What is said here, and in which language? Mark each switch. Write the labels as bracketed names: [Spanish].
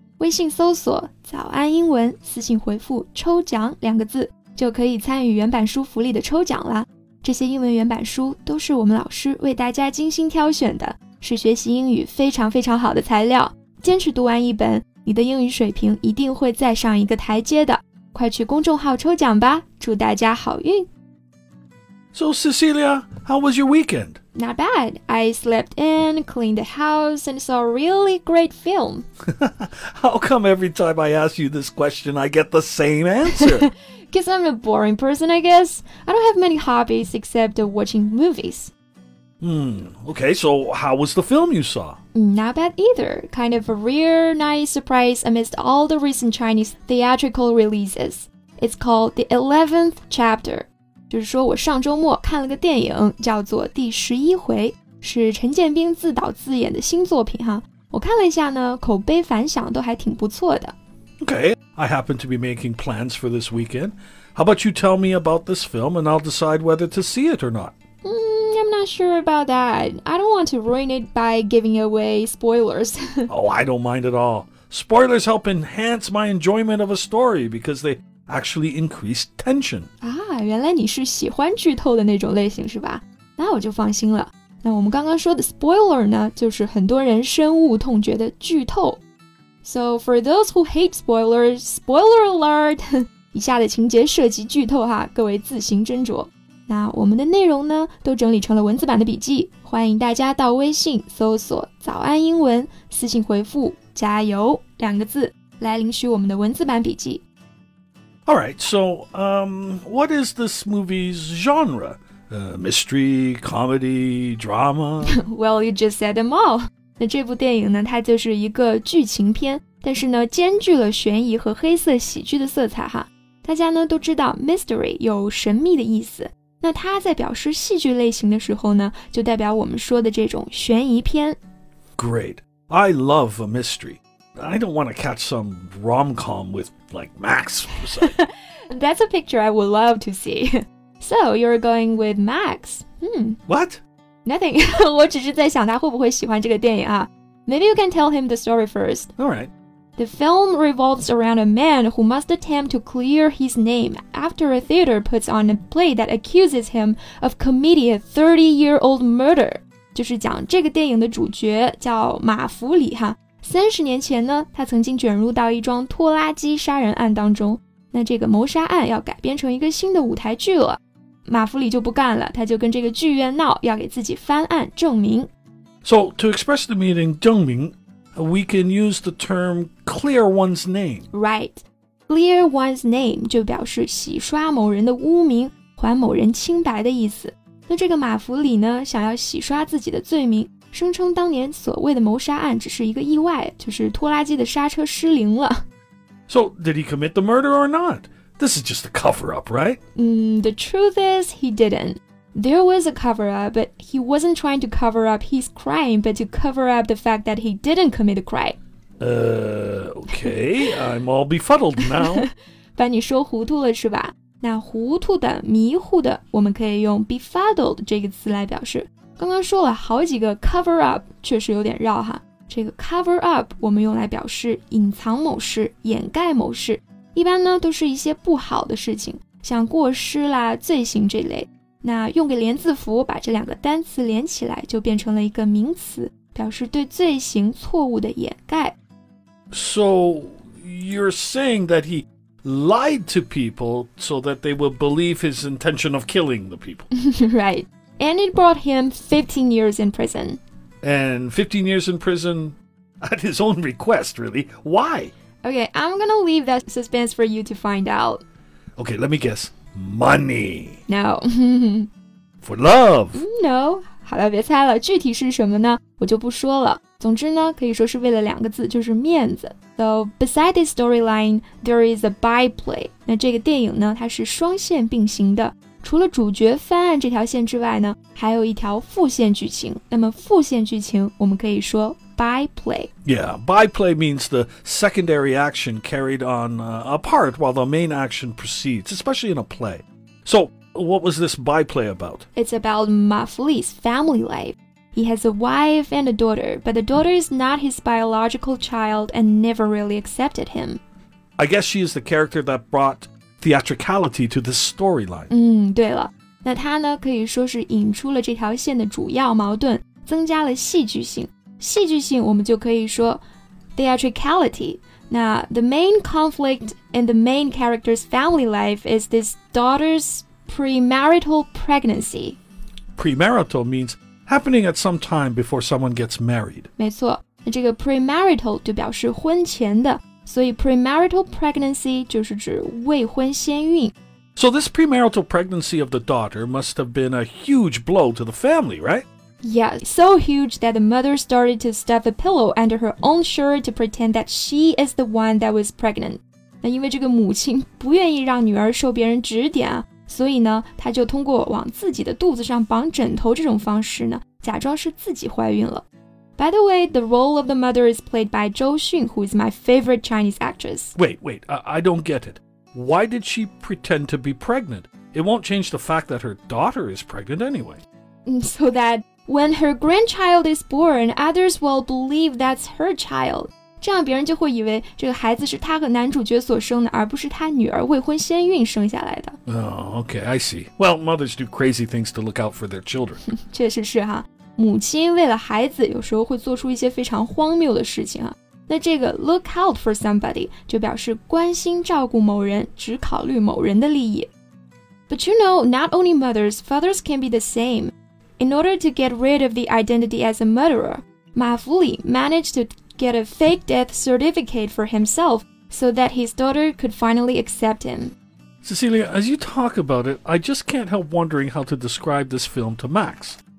[Chinese] 微信搜索“早安英文”，私信回复“抽奖”两个字，就可以参与原版书福利的抽奖了。这些英文原版书都是我们老师为大家精心挑选的，是学习英语非常非常好的材料。坚持读完一本，你的英语水平一定会再上一个台阶的。快去公众号抽奖吧，祝大家好运。 [English] So Cecilia, how was your weekend? Not bad. I slept in, cleaned the house, and saw a really great film. How come every time I ask you this question, I get the same answer? Because I'm a boring person, I guess. I don't have many hobbies except watching movies. Okay, so how was the film you saw? Not bad either. Kind of a rare, nice surprise amidst all the recent Chinese theatrical releases. It's called The 11th Chapter. [Chinese] 就是说我上周末看了个电影叫做第十一回，是陈建斌自导自演的新作品哈。我看了一下呢，口碑反响都还挺不错的。 [English] Okay, I happen to be making plans for this weekend. How about you tell me about this film and I'll decide whether to see it or not? I'm not sure about that. I don't want to ruin it by giving away spoilers. Oh, I don't mind at all. Spoilers help enhance my enjoyment of a story because they actually increase tension. Ah. [Chinese] 原来你是喜欢剧透的那种类型是吧？那我就放心了。那我们刚刚说的 spoiler 呢，就是很多人深恶痛绝的剧透。 [English] So for those who hate spoilers, spoiler alert! [Chinese] 以下的情节涉及剧透哈，各位自行斟酌。那我们的内容呢，都整理成了文字版的笔记，欢迎大家到微信搜索“早安英文”，私信回复“加油”两个字来领取我们的文字版笔记。 [English] All right, so, what is this movie's genre? Mystery, comedy, drama? Well, you just said them all. [Chinese] 那这部电影呢，它就是一个剧情片，但是呢，兼具了悬疑和黑色喜剧的色彩哈。大家呢，都知道 mystery 有神秘的意思。那它在表示戏剧类型的时候呢，就代表我们说的这种悬疑片。 [English] Great. I love a mystery. I don't want to catch some rom-com with, like, Max. That's a picture I would love to see. So, you're going with Max. What? Nothing. [Chinese] 我只是在想他会不会喜欢这个电影啊。 [English] Maybe you can tell him the story first. All right. The film revolves around a man who must attempt to clear his name after a theater puts on a play that accuses him of committing a 30-year-old murder. [Chinese] 就是讲这个电影的主角叫马弗里哈。 30年前呢，他曾经卷入到一桩拖拉机杀人案当中，那这个谋杀案要改编成一个新的舞台剧了。马弗里就不干了，他就跟这个剧院闹，要给自己翻案证明。 [English] So, to express the meaning 证明, we can use the term clear one's name. Right. Clear one's name [Chinese] 就表示洗刷某人的污名，还某人清白的意思。那这个马弗里呢，想要洗刷自己的罪名。声称当年所谓的谋杀案只是一个意外，就是拖拉机的刹车失灵了。 [English] So, did he commit the murder or not? This is just a cover-up, right? The truth is, he didn't. There was a cover-up, but he wasn't trying to cover up his crime, but to cover up the fact that he didn't commit a crime. Okay, I'm all befuddled now. [Chinese] 把你说糊涂了是吧？那糊涂的、迷糊的，我们可以用 befuddled 这个词来表示。刚刚说了好几个 cover up, 确实有点绕哈。这个 cover up 我们用来表示隐藏某事、掩盖某事，一般呢都是一些不好的事情，像过失啦、罪行这类。那用个连字符把这两个单词连起来，就变成了一个名词，表示对罪行、错误的掩盖。 [English] So you're saying that he lied to people so that they would believe his intention of killing the people? Right. And it brought him 15 years in prison. And 15 years in prison at his own request, really? Why? Okay, I'm gonna leave that suspense for you to find out. Okay, let me guess. Money. No. For love. No. [Chinese] 好了，别猜了，具体是什么呢？我就不说了。总之呢，可以说是为了两个字，就是面子。 [English] So, beside this storyline, there is a byplay. [Chinese] 那这个电影呢，它是双线并行的。除了主角翻案这条线之外呢，还有一条副线剧情。那么副线剧情我们可以说 [English] byplay. Yeah, byplay means the secondary action carried on apart while the main action proceeds, especially in a play. So, what was this byplay about? It's about Ma Fuli's family life. He has a wife and a daughter, but the daughter is not his biological child and never really accepted him. I guess she is the character that brought theatricality to this storyline. [Chinese] 对了。那他呢可以说是引出了这条线的主要矛盾增加了戏剧性。戏剧性我们就可以说 theatricality. [English] 那 the main conflict in the main character's family life is this daughter's premarital pregnancy. Premarital means happening at some time before someone gets married. [Chinese] 没错，那这个 premarital 就表示婚前的，所以 [English] premarital pregnancy [Chinese] 就是指未婚先孕。 [English] So this premarital pregnancy of the daughter must have been a huge blow to the family, right? Yeah, so huge that the mother started to stuff a pillow under her own shirt to pretend that she is the one that was pregnant. [Chinese] 那因为这个母亲不愿意让女儿受别人指点，所以呢，她就通过往自己的肚子上绑枕头这种方式呢，假装是自己怀孕了。 [English] By the way, the role of the mother is played by Zhou Xun, who is my favorite Chinese actress. Wait, I don't get it. Why did she pretend to be pregnant? It won't change the fact that her daughter is pregnant anyway. So that when her grandchild is born, others will believe that's her child. [Chinese] 这样别人就会以为这个孩子是她和男主角所生的而不是她女儿未婚先孕生下来的。 [English] Oh, okay, I see. Well, mothers do crazy things to look out for their children. [Chinese] 确实是哈，母亲为了孩子有时候会做出一些非常荒谬的事情啊。那这个 [English] look out for somebody [Chinese] 就表示关心照顾某人，只考虑某人的利益。 [English] But you know, not only mothers, fathers can be the same. In order to get rid of the identity as a murderer, Ma Fuli managed to get a fake death certificate for himself so that his daughter could finally accept him. Cecilia, as you talk about it, I just can't help wondering how to describe this film to Max.